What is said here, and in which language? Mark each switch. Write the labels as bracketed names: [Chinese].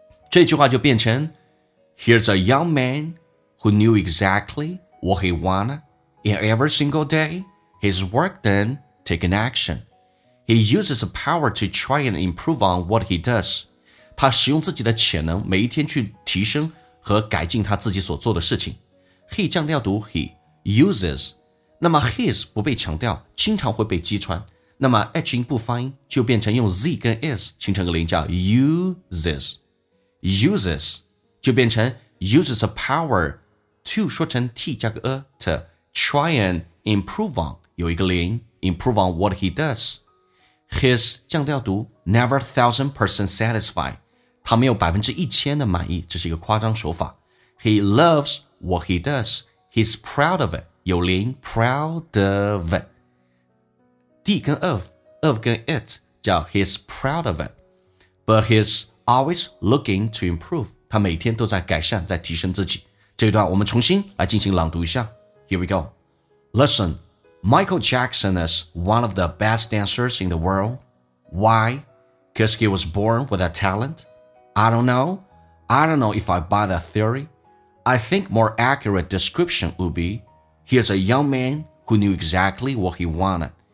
[Chinese] 这句话就变成 [English] Here's a young man who knew exactly what he wanted. And every single day,His work then, take an action. He uses the power to try and improve on what he does. [Chinese] 他使用自己的潜能每一天去提升和改进他自己所做的事情。 He 降调读 he, uses. 那么 his 不被强调，经常会被击穿。那么 H 音不发音，就变成用 Z 跟 S 形成个连叫 uses. [English] Uses 就变成 uses the power to 说成 T 加个 to try and improve on. 有一个连音 improve on what he does. His [Chinese] 降调读 [English] never 1000% satisfied. [Chinese] 他没有1000%的满意，这是一个夸张手法。 [English] He loves what he does. He's proud of it. [Chinese] 有连音 [English] proud of it. D 跟 of 跟 it 叫 he's proud of it. But he's always looking to improve. [Chinese] 他每天都在改善，在提升自己。这一段我们重新来进行朗读一下。 [English] Here we go. Listen. Michael Jackson is one of the best dancers in the world. Why? Because he was born with a talent? I don't know. I don't know if I buy that theory. I think more accurate description would be, he is a young man who knew exactly what he wanted.